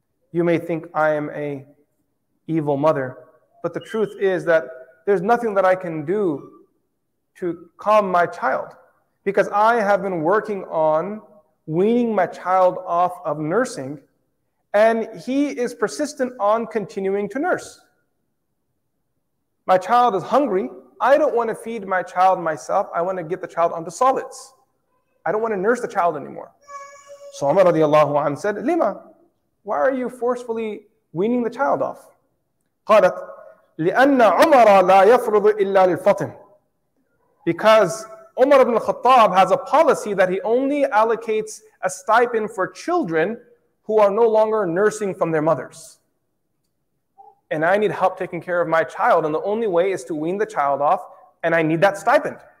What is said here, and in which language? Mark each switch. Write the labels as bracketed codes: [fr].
[en] You may think I am a evil mother, but the truth is that there's nothing that I can do to calm my child, because I have been working on weaning my child off of nursing, and he is persistent on continuing to nurse. My child is hungry. I don't want to feed my child myself. I want to get the child onto solids. I don't want to nurse the child anymore. So Umar radiallahu anhu said, Lima, why are you forcefully weaning the child off? [ar] قالت لأن عمر لا يفرض إلا للفطم. [en] Because Umar ibn al-Khattab has a policy that he only allocates a stipend for children who are no longer nursing from their mothers. And I need help taking care of my child, and the only way is to wean the child off, and I need that stipend.